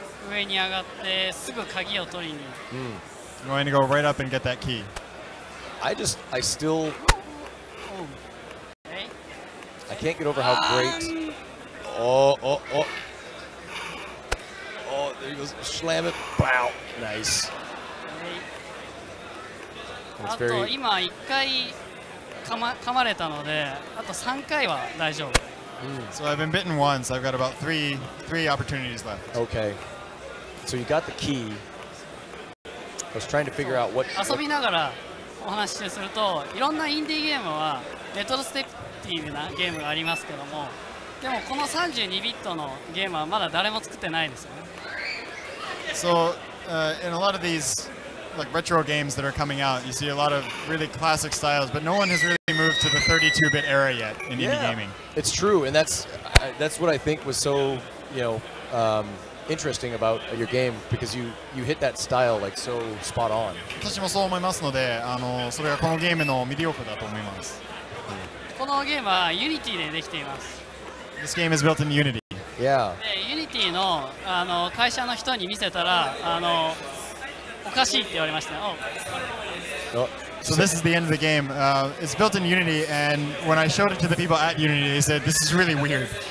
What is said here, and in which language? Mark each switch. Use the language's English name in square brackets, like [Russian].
[Japanese] 上に上がってすぐ鍵を取りに。 [English] I'm going to go right up and get that key. I still. Okay. I can't get over how great. Oh, oh, oh. There he goes. Slam it. Bow. Nice. That's very... [Japanese] あと今1回噛まれたので、あと3回は大丈夫。 [English] So I've been bitten once. I've got about three opportunities left. Okay. So you got the key. I was trying to figure out what... [Japanese] 遊びながらお話しすると、いろんなインディーゲームはレトロスペクティブなゲームがありますけども、でもこの32ビットのゲームはまだ誰も作ってないですよね。 [English] So, in a lot of these... like retro games that are coming out, you see a lot of really classic styles, but no one has really moved to the 32-bit era yet in indie gaming. It's true, and that's what I think was so, you know, interesting about your game, because you hit that style like so spot on. [Japanese] 私もそう思いますので、それがこのゲームの魅力だと思います。このゲームは Unity でできています。 [English] This game is built in Unity. Yeah. [Japanese] Unity の、会社の人に見せたら、おかしいって言われましたね。 [English] So this is the end of the game. It's built in Unity, and when I showed it to the people at Unity, they said, this is really weird.